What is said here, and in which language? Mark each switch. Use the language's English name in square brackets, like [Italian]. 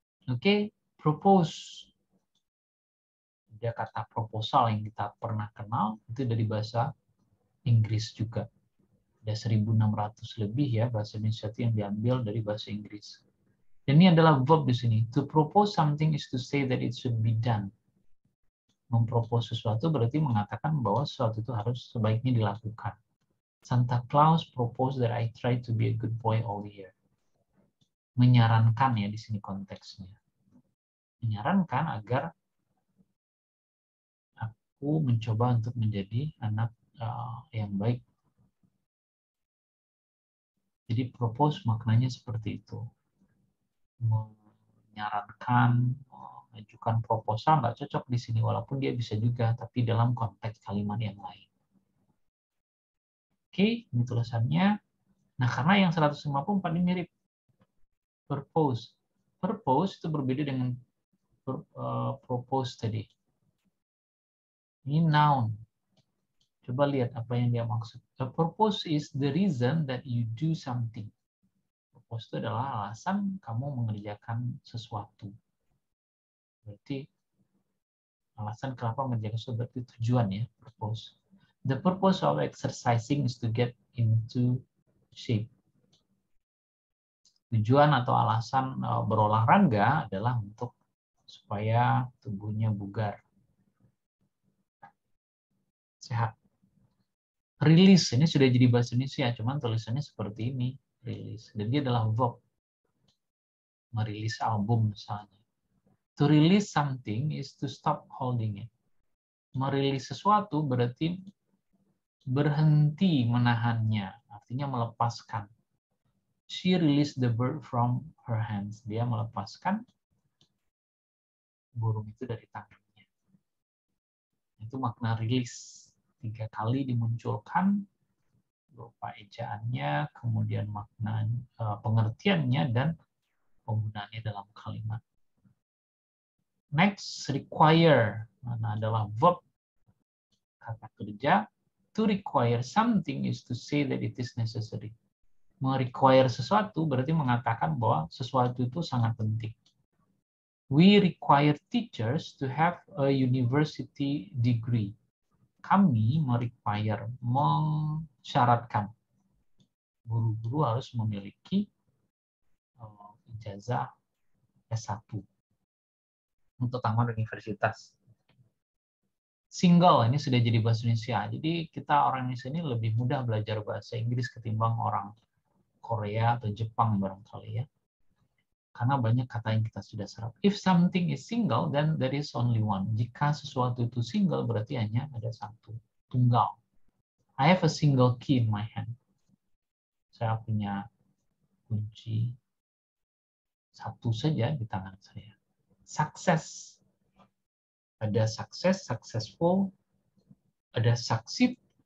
[Indonesian] Oke, propose. Dia kata proposal yang kita pernah kenal itu dari bahasa Inggris juga. Ada 1.600 lebih ya bahasa Indonesia yang diambil dari bahasa Inggris. Dan ini adalah verb di sini. [English] To propose something is to say that it should be done. [Indonesian] Mempropos sesuatu berarti mengatakan bahwa sesuatu itu harus sebaiknya dilakukan. [English] Santa Claus proposed that I try to be a good boy all year. [Indonesian] Menyarankan ya di sini konteksnya. Menyarankan agar aku mencoba untuk menjadi anak yang baik. Jadi propose maknanya seperti itu. Menyarankan, mengajukan proposal nggak cocok di sini walaupun dia bisa juga tapi dalam konteks kalimat yang lain. Oke, ini tulisannya. Nah, karena yang 154 ini mirip purpose. Purpose itu berbeda dengan propose tadi. Ini noun. Coba lihat apa yang dia maksud. [English] The purpose is the reason that you do something. [Indonesian] Purpose itu adalah alasan kamu mengerjakan sesuatu. Berarti alasan kenapa mengerjakan sesuatu berarti tujuan ya, purpose. [English] The purpose of exercising is to get into shape. [Indonesian] Tujuan atau alasan berolahraga adalah untuk supaya tubuhnya bugar. Sehat. Release, ini sudah jadi bahasa Indonesia, cuman tulisannya seperti ini, release. Dan dia adalah verb, merilis album misalnya. [English] To release something is to stop holding it. [Indonesian] Merilis sesuatu berarti berhenti menahannya, artinya melepaskan. [English] She released the bird from her hands. [Indonesian] Dia melepaskan burung itu dari tangannya. Itu makna release. Tiga kali dimunculkan, berupa ejaannya, kemudian makna pengertiannya, dan penggunaannya dalam kalimat. Next, require. Mana adalah verb, kata kerja. [English] To require something is to say that it is necessary. [Indonesian] Merequire sesuatu berarti mengatakan bahwa sesuatu itu sangat penting. [English] We require teachers to have a university degree. [Indonesian] Kami merequire, mensyaratkan. Guru-guru harus memiliki ijazah S1. Untuk tamat universitas. Single, ini sudah jadi bahasa Indonesia. Jadi kita orang Indonesia ini lebih mudah belajar bahasa Inggris ketimbang orang Korea atau Jepang barangkali ya. Karena banyak kata yang kita sudah serap. [English] If something is single, then there is only one. [Indonesian] Jika sesuatu itu single, berarti hanya ada satu. Tunggal. [English] I have a single key in my hand. [Indonesian] Saya punya kunci satu saja di tangan saya. Success. Ada success, successful. Ada succeed.